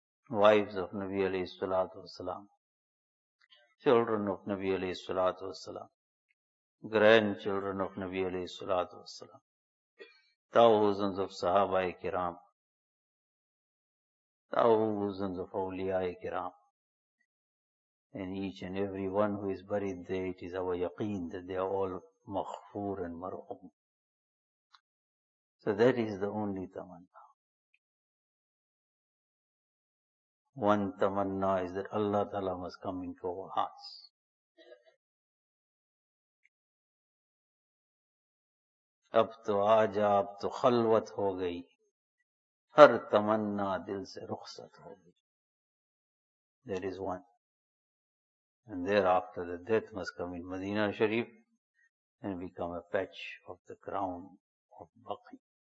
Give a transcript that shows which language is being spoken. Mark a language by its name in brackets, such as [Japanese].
[English] Wives of نبی علیہ الصلوۃ والسلام چلڈرن آف نبی علیہ الصلوۃ والسلام گرینڈ چلڈرن آف نبی علیہ الصلوۃ والسلام تھاؤزنز آف صحابہ کرام تھاؤزنز آف اولیاء کرام and each and every one who is buried there it is our یقین دیٹ دے آر آل مغفور اینڈ مرحوم So that is the only tamanna. One tamanna is that Allah Ta'ala must come into our hearts. [Urdu] اب تو آجا اب تو خلوت ہو گئی ہر تمنا دل سے رخصت ہو گئی [English] That is one. And thereafter the death must come in Madina Sharif and become a patch of the crown of Baqi.